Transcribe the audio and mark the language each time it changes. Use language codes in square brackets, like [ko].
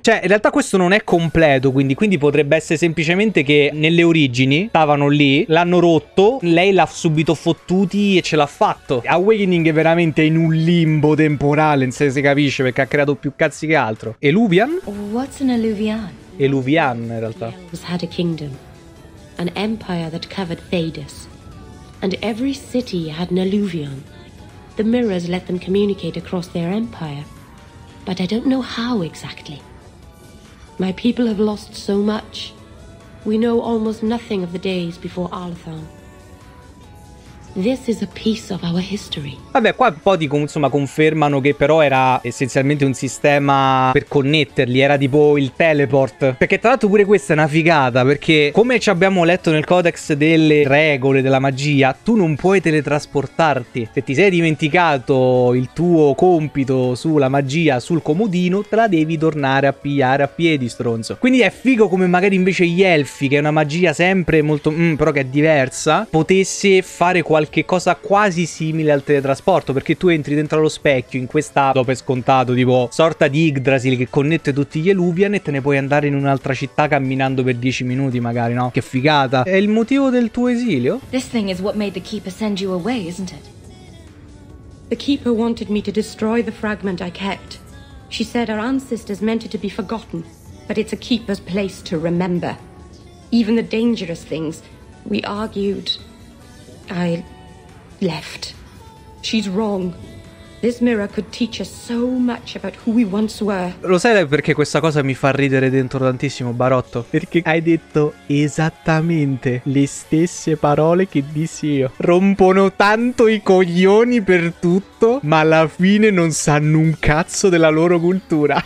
[it] Cioè in realtà questo non è completo, quindi potrebbe essere semplicemente che nelle origini stavano lì, l'hanno rotto, lei l'ha subito fottuti e ce l'ha fatto. Awakening è veramente in un limbo temporale, non se si capisce, perché ha creato più cazzi che altro. Eluvian? [en] What's an Eluvian? [it] Eluvian, in realtà. [en] Has had a kingdom, an empire that covered Thedas, and every city had an Eluvian. The mirrors let them communicate across their empire, but I don't know how exactly. My people have lost so much. We know almost nothing of the days before Arlathan. This is a piece of our history. [it] Vabbè, qua un po' di, insomma, confermano che però era essenzialmente un sistema per connetterli, era tipo il teleport. Perché tra l'altro pure questa è una figata, perché come ci abbiamo letto nel codex delle regole della magia, tu non puoi teletrasportarti. Se ti sei dimenticato il tuo compito sulla magia sul comodino, te la devi tornare a pigliare a piedi, stronzo. Quindi è figo come magari invece gli elfi, che è una magia sempre molto però che è diversa, potesse fare qualche cosa quasi simile al teletrasporto, perché tu entri dentro lo specchio in questa, dopo è scontato, tipo sorta di Yggdrasil che connette tutti gli Eluvian, e te ne puoi andare in un'altra città camminando per 10 minuti magari, no? Che figata. È il motivo del tuo esilio? [en] This thing is what made the keeper send you away, isn't it? The keeper wanted me to destroy the fragment I kept. She said our ancestors meant it to be forgotten, but it's a keeper's place to remember. Even the dangerous things, we argued. I left. She's wrong. This mirror could teach us so much about who we once were. [it] Lo sai perché questa cosa mi fa ridere dentro tantissimo, Barotto? Perché hai detto esattamente le stesse parole che dissi io. Rompono tanto i coglioni per tutto, ma alla fine non sanno un cazzo della loro cultura.